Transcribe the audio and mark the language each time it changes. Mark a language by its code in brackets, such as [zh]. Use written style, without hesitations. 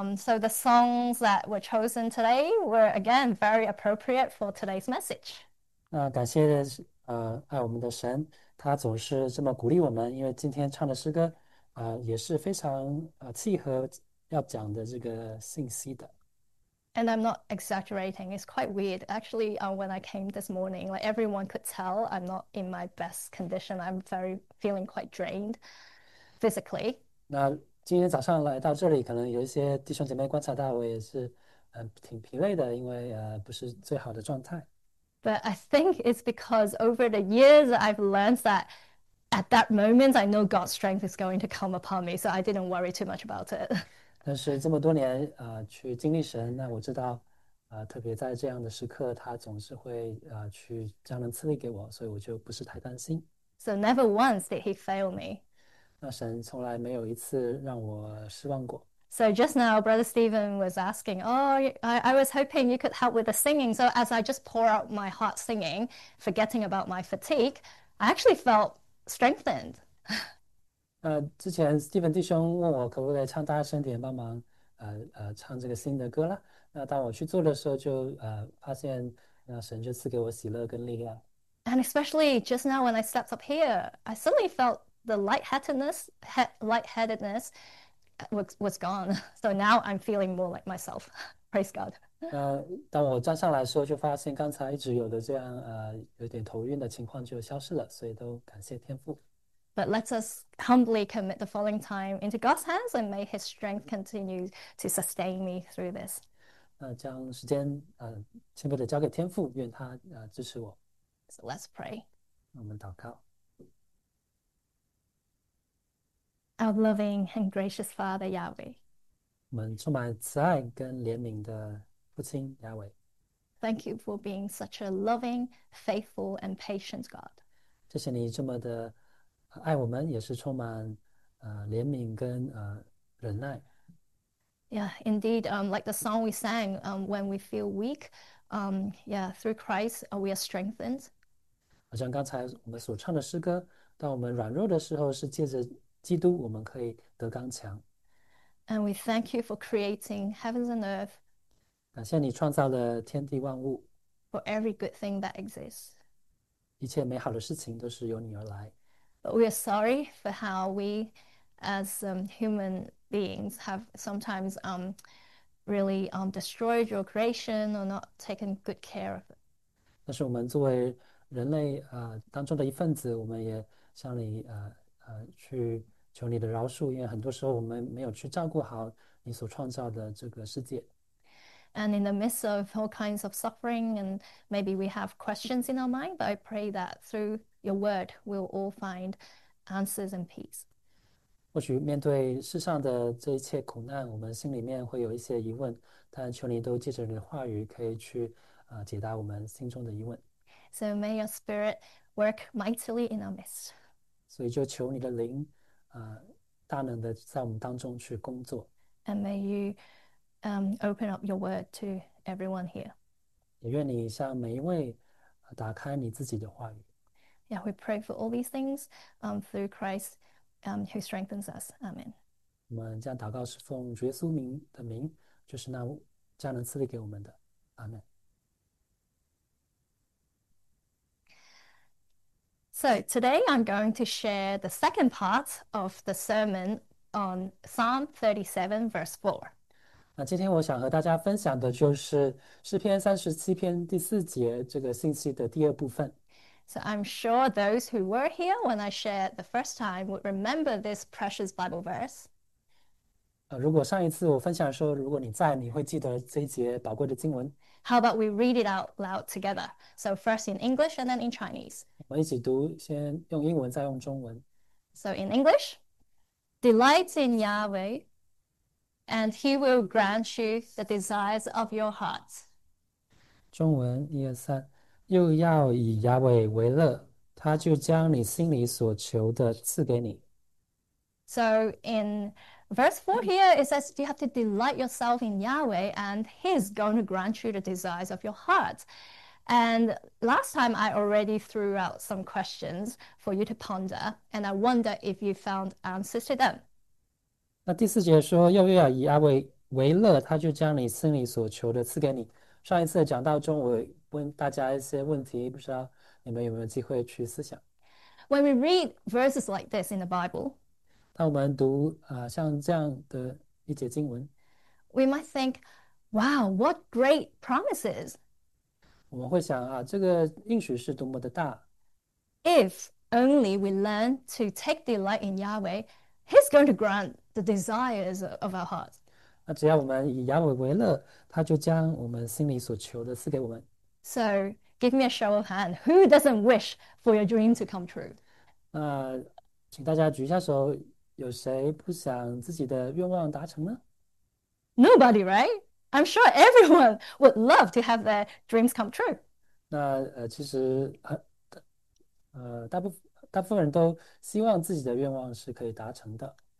[en] So the songs that were chosen today were again very appropriate for today's message. [zh] 感谢爱我们的神，他总是这么鼓励我们，因为今天唱的诗歌，也是非常契合要讲的这个信息的。 [en] And I'm not exaggerating. It's quite weird. Actually, when I came this morning, like everyone could tell I'm not in my best condition. I'm very feeling quite drained physically. [zh] 那今天早上来到这里，可能有一些弟兄姐妹观察到我也是，挺疲累的，因为不是最好的状态。 [en] But I think it's because over the years I've learned that at that moment I know God's strength is going to come upon me, so I didn't worry too much about it. [zh] 但是这么多年，去经历神，那我知道，特别在这样的时刻，他总是会，去将恩赐力给我，所以我就不是太担心。 [en] So never once did he fail me. [zh] 那神从来没有一次让我失望过。 [en] So just now, Brother Stephen was asking, "Oh, I was hoping you could help with the singing." So as I just pour out my heart singing, forgetting about my fatigue, I actually felt strengthened. [zh] 之前 Steven 弟兄问我可不可以唱大声点，帮忙，唱这个新的歌了。那当我去做的时候就，发现，那神就赐给我喜乐跟力量。 [en] And especially just now when I stepped up here, I suddenly felt the lightheadedness was gone. So now I'm feeling more like myself. Praise God. [zh] 那当我站上来的时候，就发现刚才一直有的这样，有点头晕的情况就消失了，所以都感谢天父。 [en] But let us humbly commit the following time into God's hands and may His strength continue to sustain me through this. [zh] 将时间全部的交给天父，愿他支持我。 [en] So let's pray. [zh] 我们祷告。 [en] Our loving and gracious Father Yahweh. [zh] 我们充满慈爱跟怜悯的父亲亚伟。 [en] Thank you for being such a loving, faithful, and patient God. [zh] 谢谢你这么的爱我们，也是充满怜悯跟忍耐。 [en] Yeah, indeed, like the song we sang, when we feel weak, through Christ, we are strengthened. [zh] 好像刚才我们所唱的诗歌，当我们软弱的时候，是借着基督，我们可以得刚强。 [en] And we thank you for creating heavens and earth, [zh] 感谢你创造了天地万物， [en] for every good thing that exists. [zh] 一切美好的事情都是由你而来。 [en] But we are sorry for how we, as human beings, have sometimes really destroyed your creation or not taken good care of it. [zh] 但是我们作为人类当中的一份子，我们也向你去求你的饶恕，因为很多时候我们没有去照顾好你所创造的这个世界。 [en] And in the midst of all kinds of suffering, and maybe we have questions in our mind, but I pray that through your word, we'll all find answers and peace. [zh] 或许面对世上的这一切苦难，我们心里面会有一些疑问，但求你都借着你的话语，可以去解答我们心中的疑问。 [en] So may your spirit work mightily in our midst. [zh] 所以就求你的灵，大能的在我们当中去工作， [en] And may you open up your word to everyone here. [zh] 也愿你向每一位，打开你自己的话语。 [en] Yeah, we pray for all these things through Christ who strengthens us. Amen. [zh] 我们将祷告是奉主耶稣名的名，就是那将能赐力给我们的，阿门。 [en] So today I'm going to share the second part of the sermon on Psalm 37, verse 4. [zh] 那今天我想和大家分享的就是诗篇37篇第四节这个信息的第二部分。 [en] So I'm sure those who were here when I shared the first time would remember this precious Bible verse. [zh] 如果上一次我分享说，如果你在，你会记得这一节宝贵的经文。 [en] How about we read it out loud together? So first in English and then in Chinese. [zh] 我们一起读，先用英文，再用中文。 [en] So in English, delight in Yahweh, and He will grant you the desires of your heart. [zh] 中文一二三，又要以亚伟为乐，他就将你心里所求的赐给你。 [en] So in verse 4 here, it says you have to delight yourself in Yahweh and He's going to grant you the desires of your heart. And last time I already threw out some questions for you to ponder, and I wonder if you found answers to them. [zh] 那第四节说，又要以阿为乐，他就将你心里所求的赐给你。上一次讲到中，我问大家一些问题，不知道你们有没有机会去思想。 [en] When we read verses like this in the Bible, [zh] 当我们读像这样的一节经文， [en] we might think, wow, what great promises! [zh] 我们会想啊，这个应许是多么的大。 [en] If only we learn to take delight in Yahweh, He's going to grant the desires of our hearts. [zh] 那只要我们以亚伟为乐，他就将我们心里所求的赐给我们。 [en] So, give me a show of hand. Who doesn't wish for your dream to come true? [zh] 那请大家举一下手，有谁不想自己的愿望达成呢？ [en] Nobody, right? I'm sure everyone would love to have their dreams come true. [zh] 那其实大部分人都希望自己的愿望是可以达成的。